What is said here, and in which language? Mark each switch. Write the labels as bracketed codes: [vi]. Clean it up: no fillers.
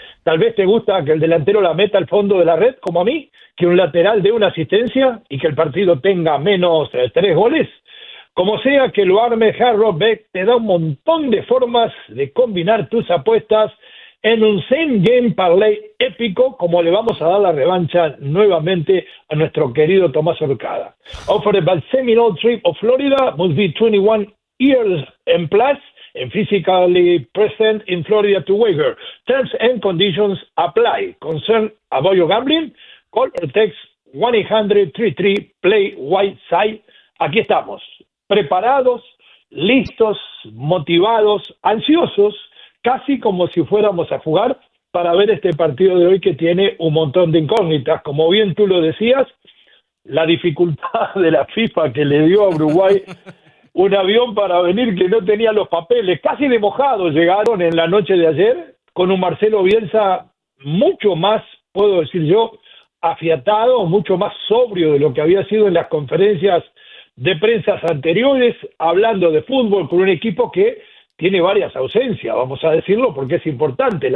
[es] Tal vez te gusta que el delantero la meta al fondo de la red, como a mí, que un lateral dé una asistencia y que el partido tenga menos de 3 goles. Como sea que lo arme, Hard Rock Bet te da un montón de formas de combinar tus apuestas en un same game parlay épico, como le vamos a dar la revancha nuevamente a nuestro querido Tomás Orcada. [en] Offered by Seminole Trip of Florida, must be 21 years and plus, and physically present in Florida to wager. Terms and conditions apply. Concern about your gambling? Call or text 1-800-33-PLAY-WHITE-SIDE. [es] Aquí estamos, preparados, listos, motivados, ansiosos, casi como si fuéramos a jugar para ver este partido de hoy que tiene un montón de incógnitas. Como bien tú lo decías, la dificultad de la FIFA que le dio a Uruguay un avión para venir que no tenía los papeles, casi de mojado llegaron en la noche de ayer, con un Marcelo Bielsa mucho más, puedo decir yo, afiatado, mucho más sobrio de lo que había sido en las conferencias de prensas anteriores, hablando de fútbol con un equipo que tiene varias ausencias, vamos a decirlo, porque es importante.